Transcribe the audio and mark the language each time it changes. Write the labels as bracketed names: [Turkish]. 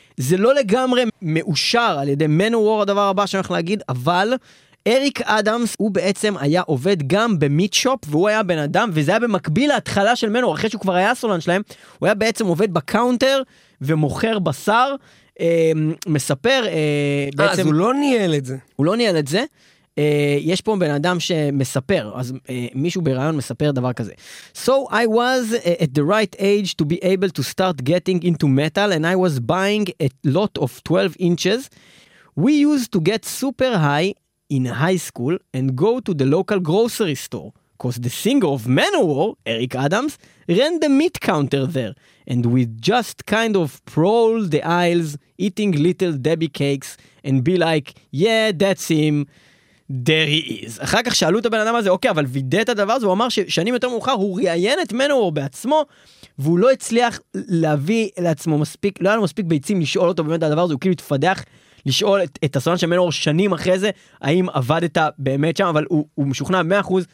[Hebrew] זה לא לגמרי מאושר על ידי Manowar הדבר הבא שאני הולך להגיד, אבל אריק אדמס הוא בעצם היה עובד גם במיט שופ, והוא היה בן אדם, וזה היה במקביל להתחלה של מנו, אחרי שהוא כבר היה סולן שלהם, הוא היה בעצם עובד בקאונטר ומוכר בשר, מספר בעצם... אז הוא לא ניהל את זה. הוא לא ניהל את זה. יש פה בן אדם שמספר, אז מישהו ברעיון מספר דבר כזה. [English] So I was at the right age to be able to start getting into metal, and I was buying a lot of 12 inches. We used to get super high in high school and go to the local grocery store, because the singer of Manowar, Eric Adams, ran the meat counter there, and we just kind of prowl the aisles eating little Debbie cakes and be like, yeah, that's him, there he is. [Hebrew] אחר כך שאלו את הבן אדם הזה, אוקיי, אבל וידא את הדבר הזה, הוא אמר ששנים יותר מאוחר הוא ריאיין את Manowar בעצמו, והוא לא הצליח להביא לעצמו מספיק, לא היה לו מספיק ביצים לשאול אותו באמת הדבר הזה, הוא כאילו התפדח לשאול את הסולן של Manowar שנים אחרי זה, האם עבדת באמת שם, אבל הוא משוכנע 100%